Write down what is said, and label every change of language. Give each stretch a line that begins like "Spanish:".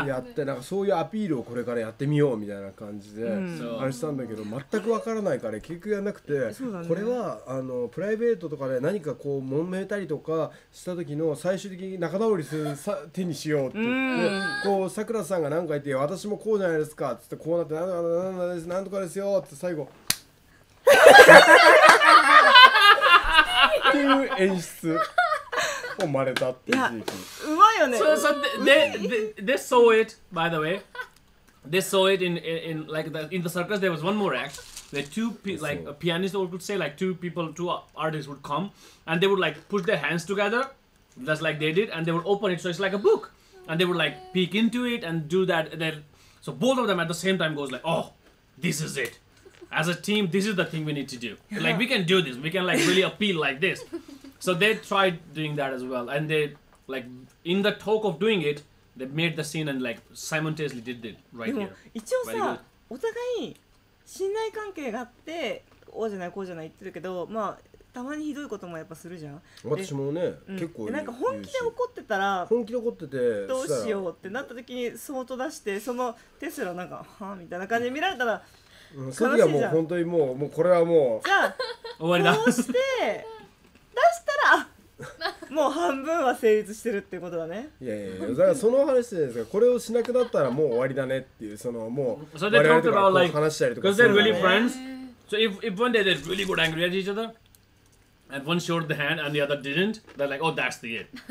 Japanese: やって、なんかそういうアピールをこれからやってみようみたいな感じであれしたんだけど、全くわからないから結局やんなくて、これはあのプライベートとかで何かこう揉めたりとかした時の最終的に仲直りする手にしようって言って、こう桜さんが何か言って、私もこうじゃないですかって言って、こうなって、なんとかですよって最後っていう演出生まれたっていう時期。
English: So, so they saw it, by the way. They saw it in like the, in the circus. There was one more act where two like a pianist would say, like two people, two artists would come, and they would like push their hands together, just like they did, and they would open it. So it's like a book, and they would like peek into it and do that. And then, so both of them at the same time goes like, oh, this is it. As a team, this is the thing we need to do. Like, we can do this. We can like really appeal like this. So they tried doing that as well, and they. Like, in the talk of doing it, they made the scene and like, simultaneously did it right here.
Japanese: でも、一応さ、お互い信頼関係があって、こうじゃない、こうじゃない言ってるけど、まあ、たまにひどいこともやっぱするじゃん。私もね、結構なんか本気で怒ってたら、本気で怒ってて、どうしようってなった時に、そっと出して、そのテスラなんか、はぁみたいな感じで見られたら、悲しいじゃん。その時はもう、本当にもう、もうこれはもう、じゃあ、終わりだ。こうして、出したら、もう半分は成立してるってことだね。いやいやいや、だからその話じゃないですか。これをしなくなったらもう終わりだねっていう、そのもう我々とかこう話したりとか。
English: Because、 so、they're really friends. So if one day they really got angry at each other, and one showed the hand and the other didn't, they're like, oh, that's the it.